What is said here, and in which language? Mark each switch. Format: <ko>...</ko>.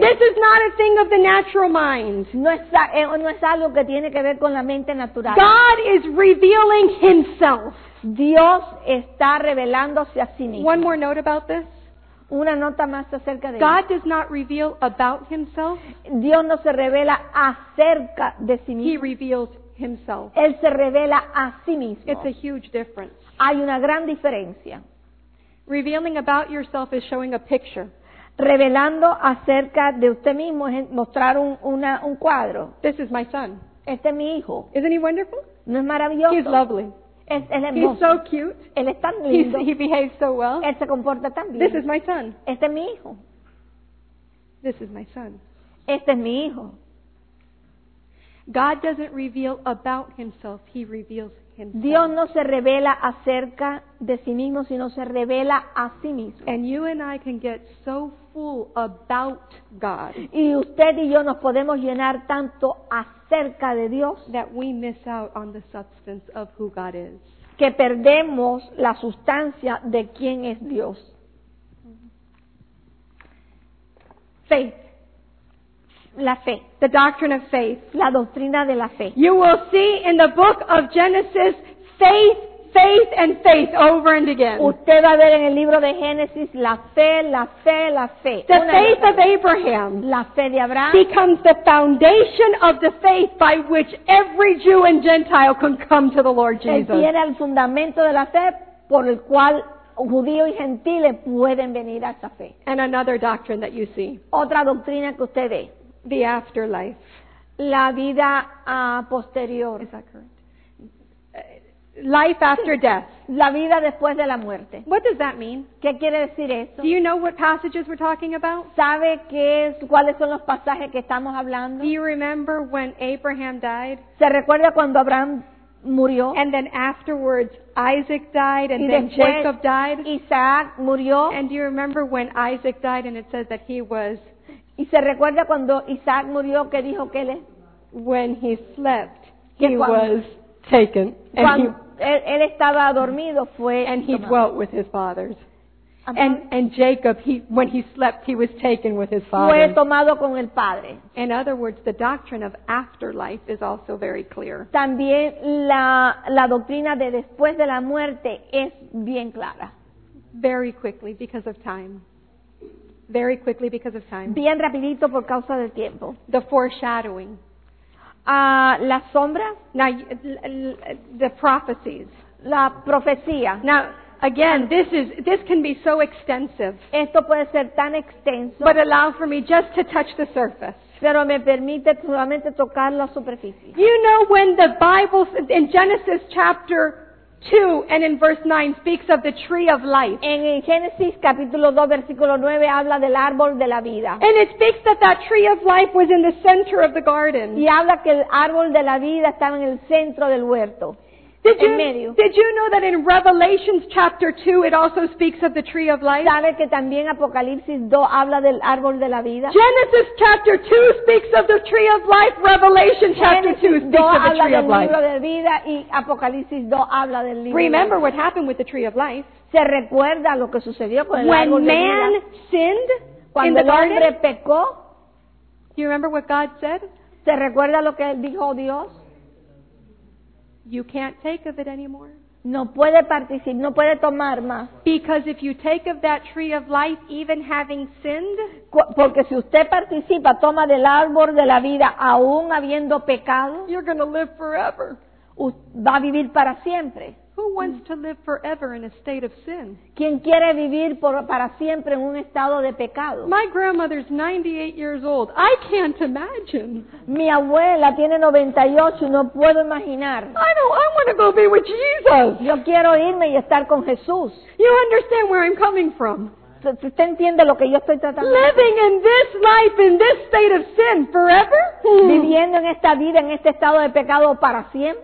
<en>This is not a thing of the natural mind.</en> <es>No es algo que tiene que ver con la mente natural.</es> <en>God is revealing himself.</en> <es>Dios está revelándose a sí mismo.</es> <en>One more note about this.</en> <es>Una nota más acerca de</es> <en>God does not reveal about himself.</en> <es>Dios no se revela acerca de sí mismo.</es> <en>He reveals himself.</en> <es>Él se revela a sí mismo.</es> <en>It's a huge difference.</en> <es>Hay una gran diferencia.</es> <en>Revealing about yourself is showing a picture.</en> <es>Revelando acerca de usted mismo es mostrar un cuadro.</es> <en>This is my son.</en> <es>Este es mi hijo.</es> <en>Isn't he wonderful?</en> <es>¿No es maravilloso?</es> <en>He's lovely. He's so cute.</en> <es>Él es tan lindo.</es> <en>He behaves so well.</en> <es>Él se comporta tan bien.</es> <en>This is my son.</en> <es>Este es mi hijo.</es> <en>This is my son.</en> <es>Este es mi hijo.</es> <en>God doesn't reveal about himself, he reveals himself.</en> <es>Dios no se revela acerca de sí mismo, sino se revela a sí mismo.</es> <en>And you and I can get so full about God.</en> <es>Y usted y yo nos podemos llenar tanto acerca de Dios</es> <en>that we miss out on the substance of who God is.</en> <es>Que perdemos la sustancia de quién es Dios.</es> <en>Faith.</en> <es>La fe.</es> <en>The doctrine of faith.</en> <es>La doctrina de la fe.</es> <en>You will see in the book of Genesis faith, faith, and faith over and again.</en> <es>Usted va a ver en el libro de Génesis la fe, la fe, la fe.</es> <en>The faith of Abraham.</en> <es>La fe de Abraham.</es> <en>Becomes the foundation of the faith by which every Jew and Gentile can come to the Lord Jesus.</en> <es>Él tiene el fundamento de la fe por el cual judíos y gentiles pueden venir a esa fe.</es> <en>And another doctrine that you see.</en> <es>Otra doctrina que usted ve.</es> <en>The afterlife.</en> <es>La vida posterior.</es> <en>Is that correct? Life after death.</en> <es>La vida después de la muerte.</es> <en>What does that mean?</en> <es>¿Qué quiere decir eso?</es> <en>Do you know what passages we're talking about?</en> <es>¿Sabe cuáles son los pasajes que estamos hablando?</es> <en>Do you remember when Abraham died?</en> <es>¿Se recuerda cuando Abraham murió?</es> <en>And then afterwards Isaac died and then Jacob died.</en> <es>Isaac murió.</es> <en>And do you remember when Isaac died and it says that he was...</en> <es>Y se recuerda cuando Isaac murió que dijo que él es...</es> <en>When he slept, he was taken.</en> <es>And él estaba dormido, fue tomado.</es> <en>And he dwelt with his fathers. And Jacob, when he slept, he was taken with his father.</en> <es>Fue tomado con el padre.</es> <en>In other words, the doctrine of afterlife is also very clear.</en> <es>También la doctrina de después de la muerte es bien clara.</es> <en>Very quickly, because of time. Very quickly because of time.</en> <es>Bien rapidito por causa del tiempo.</es> <en>The foreshadowing.</en> <es>La sombra.</es> <en>Now, the prophecies.</en> <es>La profecía.</es> <en>Now, again, this can be so extensive.</en> <es>Esto puede ser tan extenso.</es> <en>But allow for me just to touch the surface.</en> <es>Pero me permite solamente tocar la superficie.</es> <en>You know when the Bible, in Genesis chapter 2 and in verse 9 speaks of the tree of life.</en> <es>En Génesis capítulo 2 versículo 9 habla del árbol de la vida.</es> <en>And it speaks that that tree of life was in the center of the garden.</en> <es>Y habla que el árbol de la vida estaba en el centro del huerto.</es> <en>Did you know that in Revelation chapter 2 it also speaks of the tree of life?</en> <es>¿Sabe que también Apocalipsis 2 habla del árbol de la vida?</es> <en>Genesis chapter 2 speaks of the tree of life. Revelation chapter 2 speaks of the tree of life.</en> <es>Genesis 2 habla del libro de vida y Apocalipsis 2 habla del libro.</es> <en>Remember what happened with the tree of life?</en> <es>¿Se recuerda lo que sucedió con el árbol de vida?</es> <en>When man sinned in the garden,</en> <es>cuando el hombre pecó,</es> <en>do you remember what God said?</en> <es>¿Se recuerda lo que dijo Dios?</es> <en>You can't take of it anymore.</en> <es>No puede participar, no puede tomar más.</es> <en>Because if you take of that tree of life, even having sinned,</en> <es>porque si usted participa, toma del árbol de la vida, aún habiendo pecado,</es> <en>you're going to live forever.</en> <es>Va a vivir para siempre.</es> <en>Who wants to live forever in a state of sin?</en> <es>¿Quién quiere vivir para siempre en un estado de pecado?</es> <en>My grandmother's 98 years old. I can't imagine.</en> <es>Mi abuela tiene 98, no puedo imaginar.</es> <en>I want to go be with Jesus.</en> <es>Yo quiero irme y estar con Jesús.</es> <en>You understand where I'm coming from?</en> <es>¿Usted entiende lo que yo estoy tratando?</es> <en>Living in this life, in this state of sin, forever?</en> <es>Viviendo en esta vida, en este estado de pecado para siempre.</es>